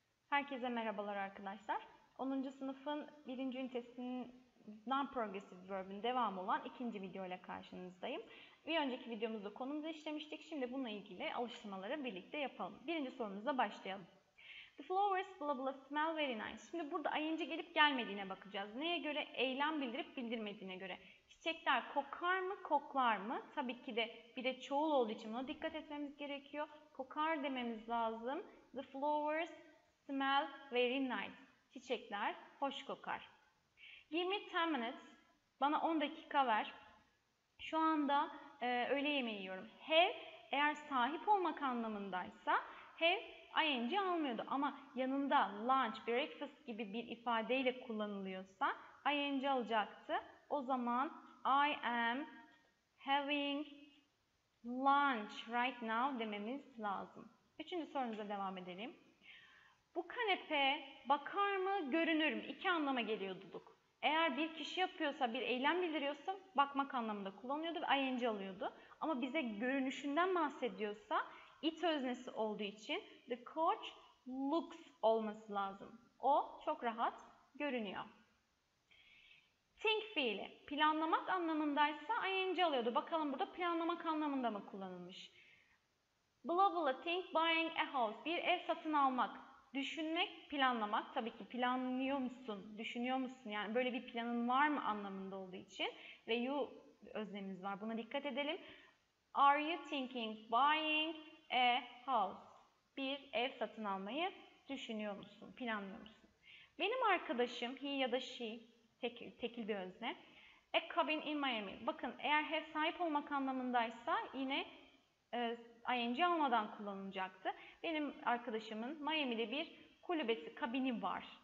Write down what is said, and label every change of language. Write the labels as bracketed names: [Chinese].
[Turkish] Herkese merhabalar arkadaşlar. 10. sınıfın 1. ünitesinin non-progressive verb'in devamı olan 2. videoyla karşınızdayım. Bir önceki videomuzda konumuzu işlemiştik. Şimdi bununla ilgili alıştırmaları birlikte yapalım. 1. sorumuza başlayalım. [English] The flowers blah blah smell very nice. [Turkish] Şimdi burada ing gelip gelmediğine bakacağız. Neye göre? Eylem bildirip bildirmediğine göre. Çiçekler kokar mı, koklar mı? Tabii ki de bir de çoğul olduğu için buna dikkat etmemiz gerekiyor. Kokar dememiz lazım. [English] The flowers smell very nice. [Turkish] Çiçekler hoş kokar. [English] Give me 10 minutes. [Turkish] Bana 10 dakika ver. Şu anda öğle yemeği yiyorum. Have eğer sahip olmak anlamındaysa have ing almıyordu. Ama yanında lunch, breakfast gibi bir ifadeyle kullanılıyorsa ing alacaktı. O zaman [English] I am having lunch right now [Turkish] dememiz lazım. Üçüncü sorumuza devam edelim. Bu kanepe bakar mı, görünür mü? İki anlama geliyordu Duduk. Eğer bir kişi yapıyorsa, bir eylem bildiriyorsa bakmak anlamında kullanıyordu ve ing alıyordu. Ama bize görünüşünden bahsediyorsa it öznesi olduğu için [English] the coach looks [Turkish] olması lazım. O çok rahat görünüyor. Think fiili. Planlamak anlamındaysa ing alıyordu. Bakalım burada planlamak anlamında mı kullanılmış? [English] Blah blah think buying a house. [Turkish] Bir ev satın almak. Düşünmek, planlamak. Tabii ki planlıyor musun, düşünüyor musun? Yani böyle bir planın var mı anlamında olduğu için. Ve you öznemiz var. Buna dikkat edelim. [English] Are you thinking buying a house? [Turkish] Bir ev satın almayı düşünüyor musun, planlıyor musun? Benim arkadaşım, he ya da she, tekil bir özne. [English] A cabin in Miami. [Turkish] Bakın eğer have sahip olmak anlamındaysa yine ing almadan kullanılacaktı. Benim arkadaşımın Miami'de bir kulübesi, kabini var.